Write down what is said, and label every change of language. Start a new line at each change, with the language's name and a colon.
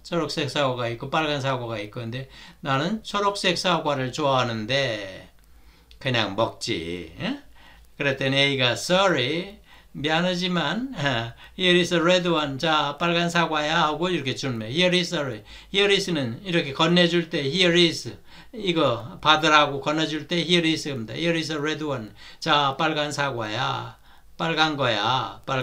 Korean: 초록색 사과가 있고 빨간 사과가 있고 근데 나는 초록색 사과를 좋아하는데 그냥 먹지. 그랬더니 A가 sorry 미안하지만
English: here is a red one.
Korean: 자 빨간 사과야 하고 이렇게 주면
English: here is sorry.
Korean: here is는 이렇게 건네줄 때 here is 이거 받으라고 건네줄 때 here is 입니다.
English: here is a red one.
Korean: 자 빨간 사과야 빨간 거야.